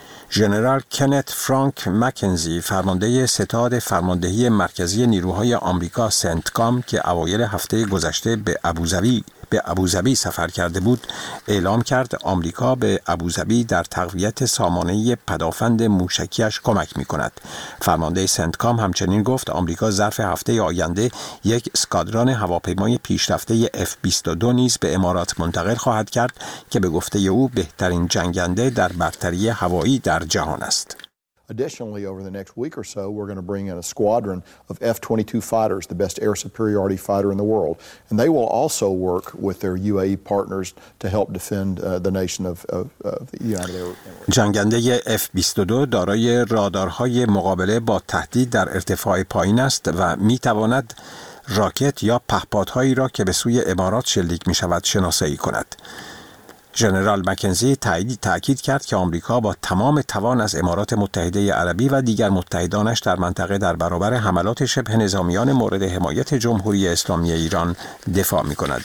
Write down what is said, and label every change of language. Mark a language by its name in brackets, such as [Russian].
[Persian] جنرال کنت فرانک مکنزی، فرمانده ستاد فرماندهی مرکزی نیروهای آمریکا سنتکام که اوایل هفته گذشته به ابوظبی سفر کرده بود، اعلام کرد آمریکا به ابوظبی در تقویت سامانه پدافند موشکیش کمک می‌کند. فرمانده سنتکام همچنین گفت آمریکا ظرف هفته آینده یک اسکادران هواپیمای پیشرفته F-22 نیز به امارات منتقل خواهد کرد که به گفته او بهترین جنگنده در برتری هوایی در جهان است. [English] Additionally, over the next week or so, we're going to bring in a squadron of F-22 fighters, the best air superiority fighter in the world. And they will also work with their UAE partners to help defend the nation of the United Arab Emirates. [Persian] جنگنده F-22 دارای رادارهای مقابله با تهدید در ارتفاع پایین است و می تواند راکت یا پهپادهایی را که به سوی امارات شلیک می شود شناسایی کند. جنرال مکنزی تأکید کرد که آمریکا با تمام توان از امارات متحده عربی و دیگر متحدانش در منطقه در برابر حملات شبه نظامیان مورد حمایت جمهوری اسلامی ایران دفاع می کند.